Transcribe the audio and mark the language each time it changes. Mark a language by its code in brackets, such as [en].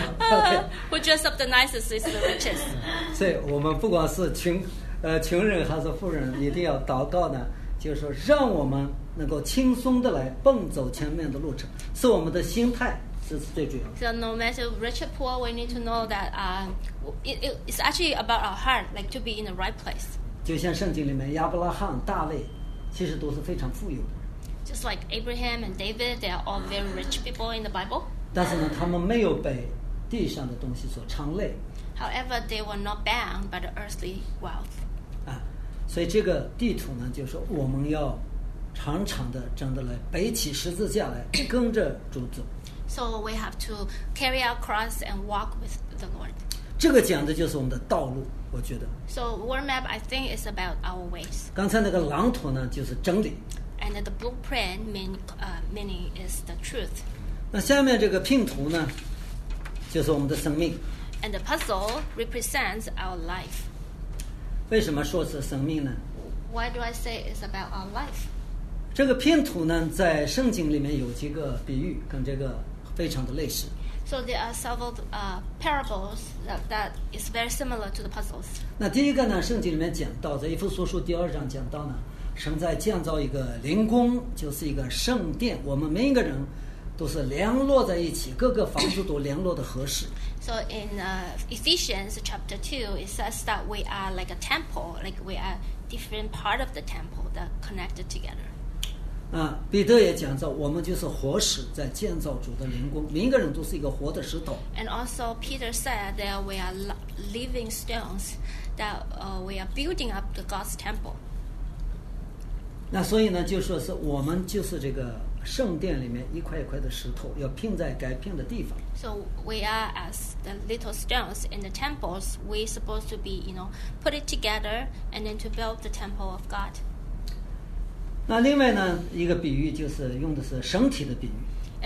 [en] 亮 Who dress up the nicest is the richest [zh] 所以我们不管是穷人还是富人一定要祷告呢就是说让我们能够轻松的来蹦走前面的路程是我们的心态 [en] So no matter rich or poor, we need to know that it's actually about our heart, like to be in the right place. [zh] 就像圣经里面亚伯拉罕、大卫，其实都是非常富有的。 [en] Just like Abraham and David, they are all very rich people in the Bible. [zh] 但是呢，他们没有被地上的东西所缠累。 [en] However, they were not bound by the earthly wealth. [zh] 啊，所以这个地图呢，就是我们要常常的真的来背起十字架来跟着主走。 [en] So we have to carry our cross and walk with the Lord. [zh] 这个讲的就是我们的道路，我觉得。 [en] So word map, I think, is about our ways. [zh] 刚才那个蓝图呢，就是真理。 [en] And the blueprint meaning is the truth. [zh] 那下面这个拼图呢，就是我们的生命。 [en] And the puzzle represents our life. [zh] 为什么说是生命呢？ [en] Why do I say it's about our life? [zh] 这个拼图呢，在圣经里面有几个比喻，跟这个非常的类似。 [en] So there are several parables that is very similar to the puzzles. [zh] 那第一个呢，圣经里面讲到，在以弗所书第二章讲到呢，神在建造一个灵宫，就是一个圣殿，我们每一个人都是联络在一起，各个房子都联络的合适。 [en] So in Ephesians chapter 2, it says that we are like a temple, like we are different part of the temple that connected together. [zh] 啊，彼得也讲到，我们就是活石，在建造主的灵宫，每一个人都是一个活的石头。 [en] And also Peter said that we are living stones, that we are building up the God's temple. [zh] 那所以呢，就说是我们就是这个圣殿里面一块一块的石头，要拼在该拼的地方。 [en] So we are as the little stones in the temples. We supposed to be, you know, put it together and then to build the temple of God. [zh] 那另外呢，一个比喻就是用的是身体的比喻。